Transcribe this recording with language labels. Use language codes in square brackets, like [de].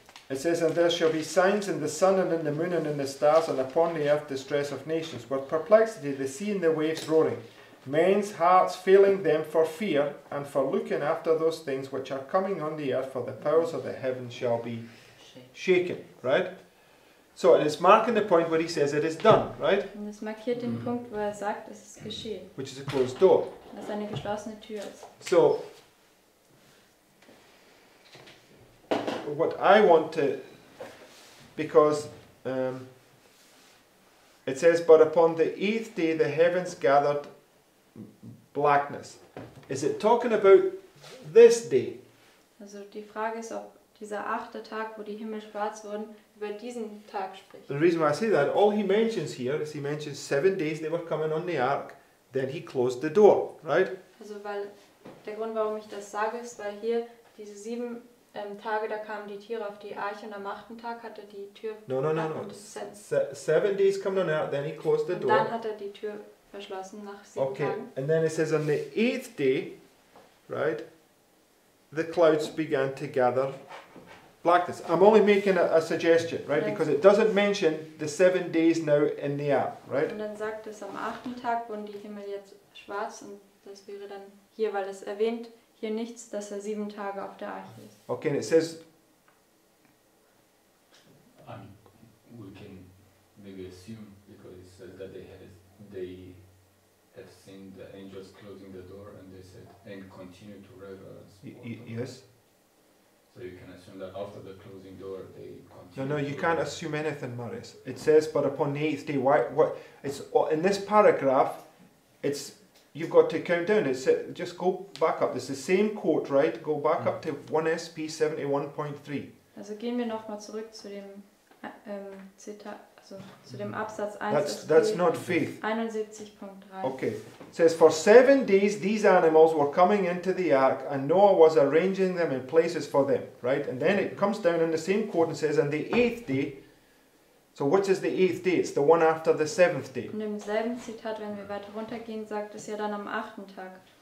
[en] It says, and there shall be signs in the sun and in the moon and in the stars, and upon the earth distress of nations, with perplexity, the sea and the waves roaring, men's hearts failing them for fear, and for looking after those things which are coming on the earth, for the powers of the heaven shall be shaken. Right? So it is marking the point where he says it is done, right? [de] Und es markiert den Punkt, wo er sagt, es ist geschehen. [en] Which is a closed door. [de] Das ist eine geschlossene Tür. [en] So what I want to, because it says, but upon the 8th day the heavens gathered blackness. Is it talking about this day? [de] Also die Frage ist, ob dieser 8. Tag, wo die Himmel schwarz wurden, über diesen Tag spricht. [en] The reason why I say that, all he mentions here is he mentions 7 days they were coming on the ark, then he closed the door, right? [de] Also weil der Grund, warum ich das sage, ist, weil hier diese 7 Tage, da kamen die Tiere auf die Arche und am 8. Tag hat er die Tür verschlossen. [en] No. 7 days coming on the ark, then he closed the door. [de] Und dann hat er die Tür verschlossen nach 7 Tagen. [en] Okay, and then it says on the 8th day, right, the clouds began to gather blackness. I'm only making a suggestion, right, because it doesn't mention the 7 days now in the ark, right? [de] Und dann sagt es, am 8. Tag wurden die Himmel jetzt schwarz und das wäre dann hier, weil es erwähnt, hier nichts, dass 7 Tage auf der Arche ist. [en] Okay, and it says, we can maybe assume, because it says that they have seen the angels closing the door and they said, and continue to revel. Yes. So you can assume that after the closing door, they continue. No, you can't assume anything, Maurice. It says, but upon the 8th day, it's in this paragraph, it's, you've got to count down. It's just go back up. It's the same quote, right? Go back up to 1 SP 71.3. [de] Also gehen wir nochmal zurück zu dem Zitat, also zu dem Absatz 1. [en] That's not faith. 71.3. Okay. It says, for 7 days these animals were coming into the ark, and Noah was arranging them in places for them, right? And then it comes down in the same quote and says, and the 8th day. So which is the 8th day? It's the one after the 7th day. [de] In dem selben Zitat, wenn wir weiter runtergehen, sagt es ja dann am 8. Tag.